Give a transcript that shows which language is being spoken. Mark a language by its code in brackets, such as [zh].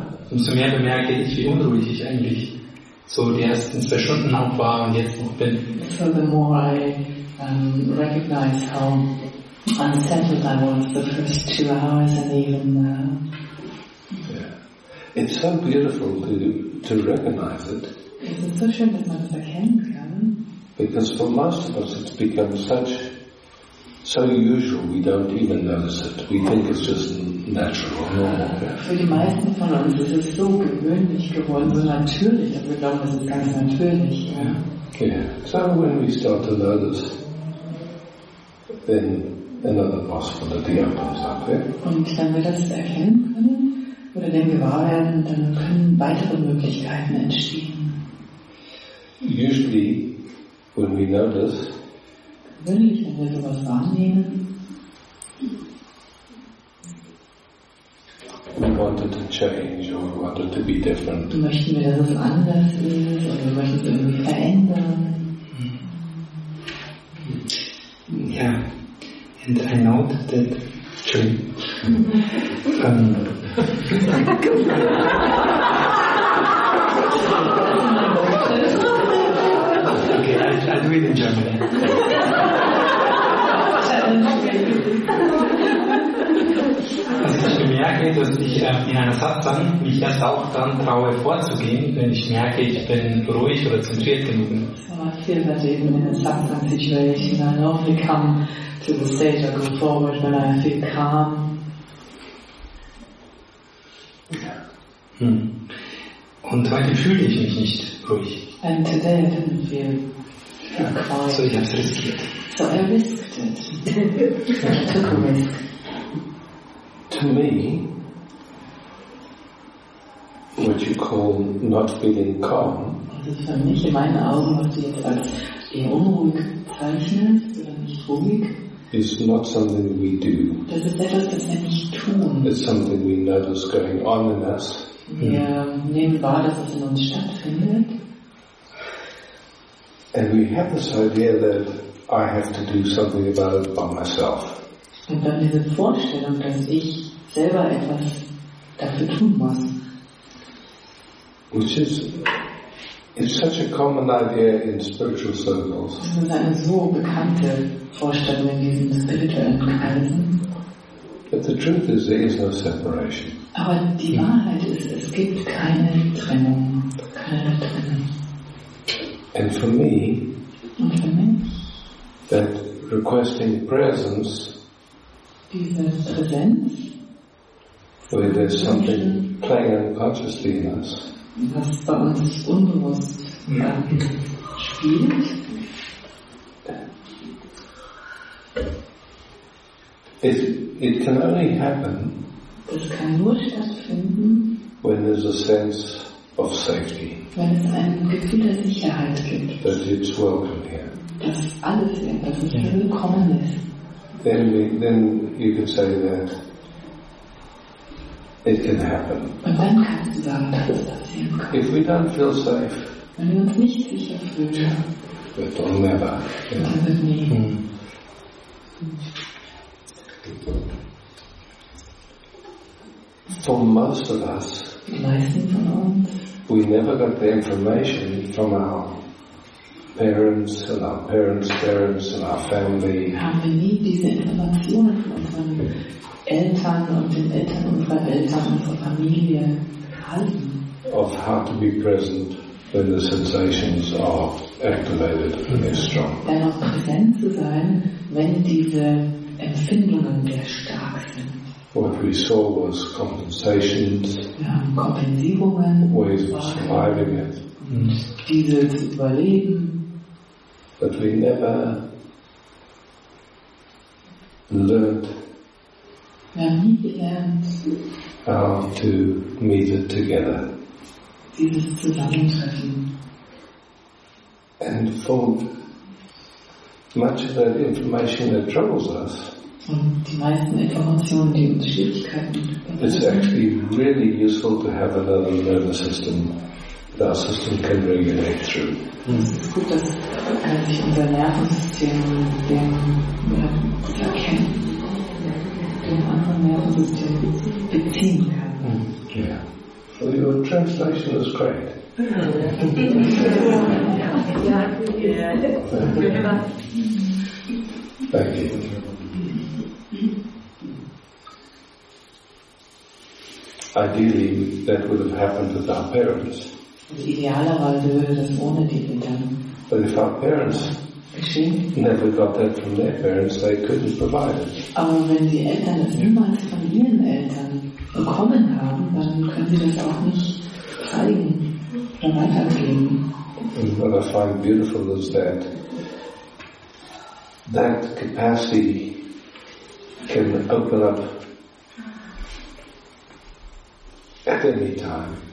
[de] Umso mehr bemerke ich, wie unruhig ich eigentlich so die ersten zwei Stunden auch war und jetzt noch bin. [en] So the more I recognize how unsettled I was the first 2 hours and even now. Yeah. It's so beautiful to recognize it. It's so [de] schön, dass man es erkennen kann. [en] Because for most of us it's become so usual we don't even notice it. We think it's just natural, normal. [de] Für die meisten von uns ist es so gewöhnlich geworden, so natürlich, dass wir glauben, es ist ganz natürlich. [en] Yeah. So when we start to notice, then another possibility opens up. Eh? [de] Und wenn wir das erkennen können oder dem gewahr werden, dann können weitere Möglichkeiten entstehen. [en] Usually, when we notice, [de] gewöhnlich, wenn wir sowas wahrnehmen, [en] we wanted to change or we wanted to be different. [de] Möchten wir, dass es anders ist oder wir möchten es irgendwie verändern? Ja. [en] And I noted that I do it in German. [de] Also ich bemerke, dass ich in einer Satsang mich erst auch dann traue vorzugehen, wenn ich merke, ich bin ruhig oder zentriert genug. [en] So I feel that even in a Satsang situation I normally come to the stage or go forward when I feel calm. [de] Und heute fühle ich mich nicht ruhig. [en] And today I didn't feel quiet. [de] So ich habe es riskiert. [en] So I risked it. I took a risk. To me, what you call not feeling calm. [de] Also für mich in meinen Augen, was du jetzt als eher unruhig zeichnest oder nicht ruhig, [en] is not something we do. [de] Das ist etwas, das wir nicht tun. [en] It's something we notice going on in us. [de] Wir nehmen wahr, dass es in uns stattfindet. [en] And we have this idea that I have to do something about it by myself. [de] Und dann diese Vorstellung, dass ich selber etwas dafür tun muss. [en] Which is, it's such a common idea in spiritual circles. [de] Das ist eine so bekannte Vorstellung in diesen spirituellen Kreisen. [en] But the truth is, there is no separation. [de] Aber die Wahrheit ist, es gibt keine Trennung. Keine Trennung. [en] And for me, [de] und für mich, [en] that requesting presence, [de] diese Präsenz, [en] where there's something playing unconsciously in us, [de] was bei uns unbewusst spielt, [en] it can only happen, [de] das kann nur stattfinden, [en] when there's a sense of safety, [de] wenn es ein Gefühl der Sicherheit gibt, [en] that it's welcome here, [de] dass alles hier, dass es hier willkommen ist. [en] Then you can say that it can happen. [de] Und dann kannst du sagen, dass es passieren kann. [en] If we don't feel safe, [de] wenn wir uns nicht sicher fühlen, [en] but don't never, [de] dann wird nie. [en] For most of us, [de] die meisten von uns, [en] we never got the information from our parents and our parents' parents and our family. [de] Haben wir nie diese Informationen von unseren Eltern und den Eltern unserer Eltern und unserer Familie erhalten? [en] Of how to be present when the sensations are activated and they're strong. [de] Dennoch präsent zu sein, wenn diese Empfindungen sehr stark sind. [en] What we saw was compensations. [de] Wir haben Kompensierungen. [en] Ways of surviving it. [de] Diese zu überleben. [en] But we never learned. [de] Wir haben nie gelernt. [en] How to meet it together. [de] Dieses Zusammentreffen. [en] And for much of that information that troubles us. [de] Und die meisten Informationen, die uns Schwierigkeiten bringen. [en] It's actually really useful to have another nervous system that our system can regulate through. [de] Es ist gut, dass sich unser Nervensystem gut erkennt, dem anderen Nervensystem beziehen kann. [en] Yeah. Well, your translation is great. [de] Ja. [en] Thank you. Ideally, that would have happened with our parents. [de] Idealerweise würde das ohne die Eltern. [en] But if our parents never got that from their parents, they couldn't provide it. [de] Aber wenn die Eltern das niemals von ihren Eltern bekommen haben, dann können sie das auch nicht zeigen oder weitergeben. [en] And what I find beautiful is that that capacity can open up at any time.